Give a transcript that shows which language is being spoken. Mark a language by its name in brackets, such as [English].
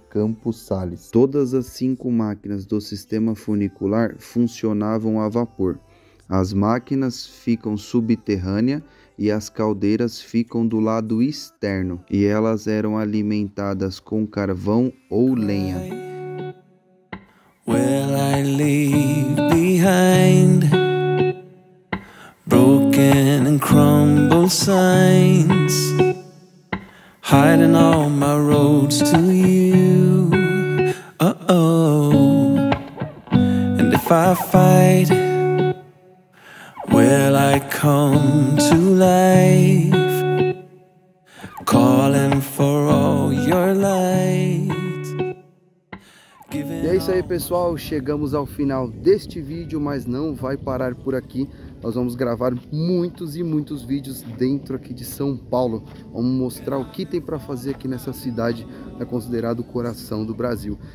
[Portuguese] Campos Salles. Todas as cinco máquinas do sistema funicular funcionavam a vapor. As máquinas ficam subterrâneas e as caldeiras ficam do lado externo, e elas eram alimentadas com carvão ou lenha. [English] Well, I leave behind broken and crumbled signs, hiding all my roads to you. Oh, and if I fight, will I come to life, calling for all your light. [Portuguese] E é isso aí, pessoal, chegamos ao final deste vídeo, mas não vai parar por aqui. Nós vamos gravar muitos e muitos vídeos dentro aqui de São Paulo. Vamos mostrar o que tem para fazer aqui nessa cidade, é considerado o coração do Brasil.